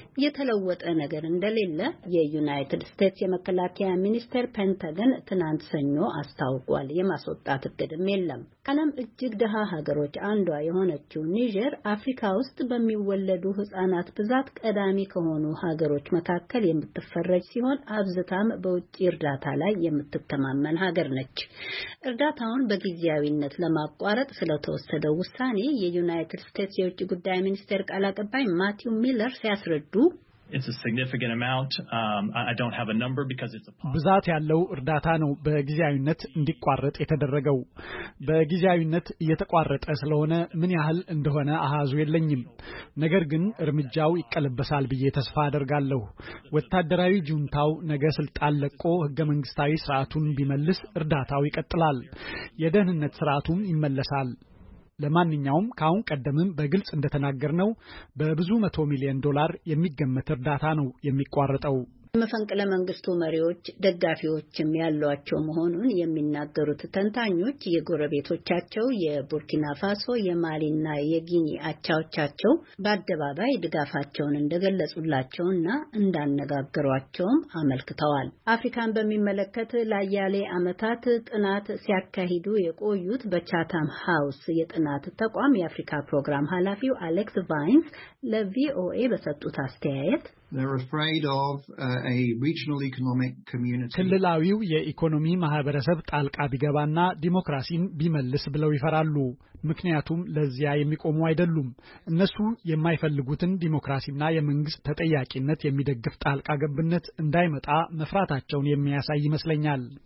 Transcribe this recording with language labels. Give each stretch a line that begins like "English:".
Amharic: የተለወጠ ነገር እንደሌለ የዩናይትድ ስቴትስ የመከላከያ ሚኒስቴር ፔንታገን ትናንት ሰኞ አስታውቋል። የማስወጣት እቅድም የለም። ከዓለም እጅግ ደሃ ሀገሮች አንዷ የሆነችው ኒጀር አፍሪካ ውስጥ በሚወለዱ ህፃናት ብዛት ቀዳሚ ከሆኑ ሀገሮች መካከል የምትፈረጅ ሲሆን አብዝታም በውጭ እርዳታ ላይ የምትተማመን ሀገር ነች። እርዳታውን በጊዜያዊነት ለማቋረጥ ስለተወሰደው ውሳኔ የዩናይትድ ስቴትስ የውጭ ጉዳይ ሚኒስቴር ቃል አቀባይ ማቲው ሚለር ሲያስረዱ
English: It's a significant amount. I don't have a number because it's a pause.
Amharic: ብዛት ያለው እርዳታ ነው በጊዜያዊነት እንዲቋረጥ የተደረገው። በጊዜያዊነት እየተቋረጠ ስለሆነ ምን ያህል እንደሆነ አሃዙ የለኝም። ነገር ግን እርምጃው ይቀለበሳል ብዬ ተስፋ አደርጋለሁ። ወታደራዊ ጁንታው ነገ ስልጣን ለቆ ህገ መንግስታዊ ስርዓቱን ቢመልስ እርዳታው ይቀጥላል። የደህንነት ስርዓቱም ይመለሳል። ለማንኛውም ካሁን ቀደምም በግልጽ እንደተናገርነው በብዙ 100 ሚሊዮን ዶላር የሚገመት እርዳታ ነው የሚቋረጠው። መፈንቅለ መንግስቱ መሪዎች ደጋፊዎችም ያሏቸው መሆኑን የሚናገሩት ተንታኞች የጎረቤቶቻቸው የቡርኪና ፋሶ፣ የማሊና የጊኒ አቻዎቻቸው በአደባባይ ድጋፋቸውን እንደገለጹላቸውና እንዳነጋገሯቸውም አመልክተዋል። አፍሪካን በሚመለከት ለአያሌ ዓመታት ጥናት ሲያካሂዱ የቆዩት በቻታም ሃውስ የጥናት ተቋም የአፍሪካ ፕሮግራም ኃላፊው አሌክስ ቫይንስ ለቪኦኤ በሰጡት አስተያየት
English: They're afraid of a regional economic community.
Amharic: ክልላዊው የኢኮኖሚ ማህበረሰብ ጣልቃ ቢገባና ዲሞክራሲን ቢመልስ ብለው ይፈራሉ። ምክንያቱም ለዚያ የሚቆሙ አይደሉም። እነሱ የማይፈልጉትን ዲሞክራሲና የመንግስት ተጠያቂነት የሚደግፍ ጣልቃ ገብነት እንዳይመጣ መፍራታቸውን የሚያሳይ ይመስለኛል።